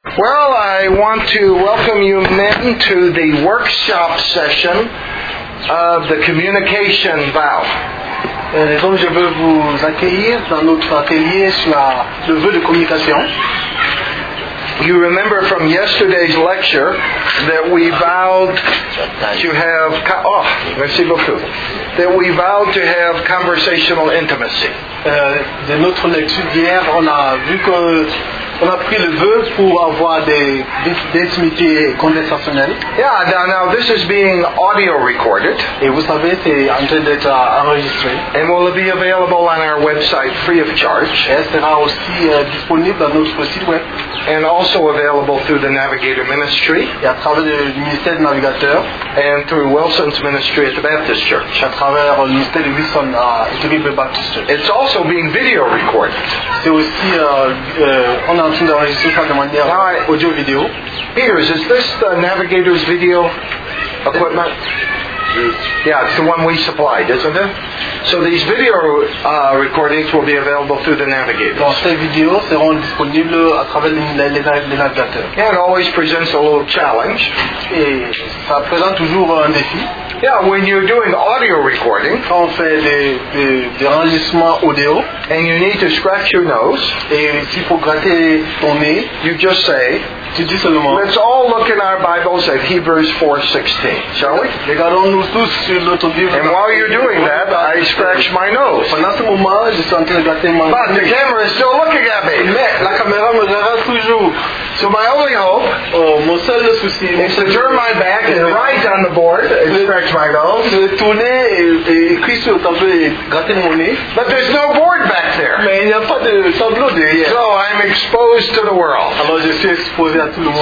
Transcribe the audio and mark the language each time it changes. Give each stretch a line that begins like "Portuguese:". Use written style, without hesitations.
English: I want to welcome you men to the workshop session of the communication vow.
French: Donc je veux vous accueillir dans notre atelier sur le vœu de communication.
English: You remember from yesterday's lecture that we vowed to have
French: merci beaucoup,
English: that we vowed to have conversational intimacy.
French: De notre lecture d'hier, on a vu qu'on a pris le vœu pour avoir des intimités conversationnelles.
English: Yeah, now this is being audio recorded.
French: Et vous savez, c'est en train d'être enregistré.
English: And will be available on our website free of charge.
French: Et sera aussi disponible dans notre site web.
English: And also available through the Navigator Ministry.
French: Et à travers le ministère du Navigateur.
English: And through Wilson's Ministry at the Baptist Church.
French: À travers le ministère de Wilson à l'Église Baptiste.
English: It's also being video recorded.
French: C'est aussi on est en train d'enregistrer ça de manière audio vidéo.
English: Peters, is this the Navigator's video equipment? Yeah, it's the one we supplied, isn't it? So these video recordings will be available through the Navigator.
French: Donc ces vidéos seront disponibles à travers les navigateurs.
English: Yeah, it always presents a little challenge.
French: Et ça présente toujours un défi.
English: Yeah, when you're doing audio recording,
French: quand on fait des enregistrements audio,
English: and you need to scratch your nose,
French: et il faut gratter ton nez,
English: you just say,
French: tu dis seulement,
English: let's all look in our Bibles at Hebrews 4:16, shall we?
French: Regardons-nous tous sur notre Bible.
English: And while you're doing that, I scratch my nose.
French: Pendant ce moment, je suis en train de gratter mon nez.
English: But the camera is still looking at me.
French: Mais la caméra me regarde toujours.
English: So my only hope,
French: oh, mon seul souci,
English: is to turn my back and write on the board and scratch my nose.
French: Je tournais et écrit sur le tableau et gratter mon nez.
English: But there's no board back there.
French: Mais il n'y a pas de tableau derrière.
English: So I'm exposed to the world.
French: Alors je suis exposé à tout le monde.